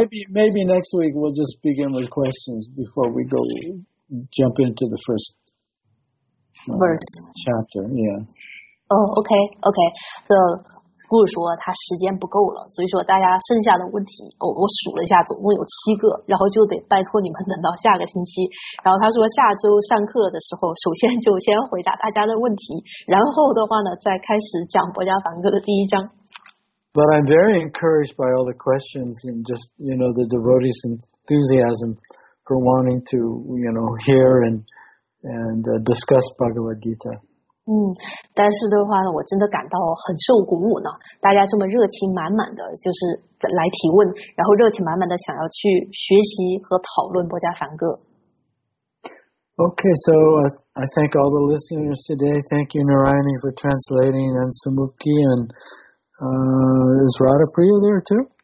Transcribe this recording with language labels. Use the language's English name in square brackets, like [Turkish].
[English] Maybe next week we'll just begin with questions before we go jump into the first verse chapter. Yeah. Okay. [Chinese] The guru 说他时间不够了，所以说大家剩下的问题，我数了一下，总共有七个，然后就得拜托你们等到下个星期。然后他说下周上课的时候，首先就先回答大家的问题，然后的话呢，再开始讲《薄伽梵歌》的第一章。 [English] But I'm very encouraged by all the questions and just you know the devotees' enthusiasm for wanting to you know hear and discuss Bhagavad Gita. [Chinese] 但是的话呢我真的感到很受鼓舞呢大家这么热情满满的就是来提问然后热情满满的想要去学习和讨论薄伽梵歌。 [English] Okay, so I thank all the listeners today. Thank you, Narayani, for translating and Sumukhi and, is Radhapriya there too?